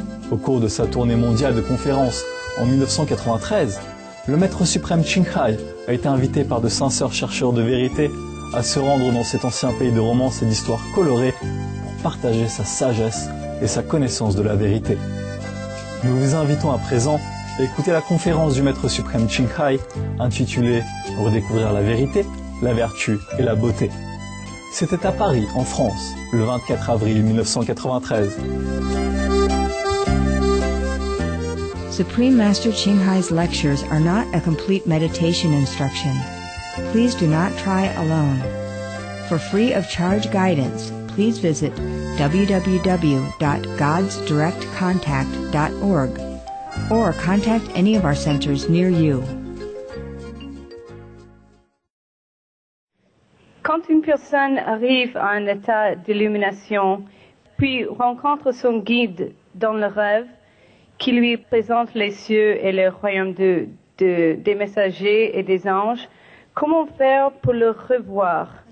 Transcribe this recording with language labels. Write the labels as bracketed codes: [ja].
[fr] Au cours de sa tournée mondiale de conférences en 1993, le maître suprême Qinghai a été invité par de sincères chercheurs de vérité à se rendre dans cet ancien pays de romance et d'histoire colorée pour partager sa sagesse et sa connaissance de la vérité. Nous vous invitons à présent à écouter la conférence du maître suprême Qinghai intitulée « Redécouvrir la vérité, la vertu et la beauté ». C'était à Paris, en France, le 24 avril 1993. [en] Supreme Master Qinghai's lectures are not a complete meditation instruction. Please do not try alone. For free of charge guidance, please visit www.godsdirectcontact.org or contact any of our centers near you. [fr] Quand une personne arrive à un état d'illumination, puis rencontre son guide dans le rêve, qui lui présente les cieux et le royaume des messagers et des anges, comment faire pour le revoir?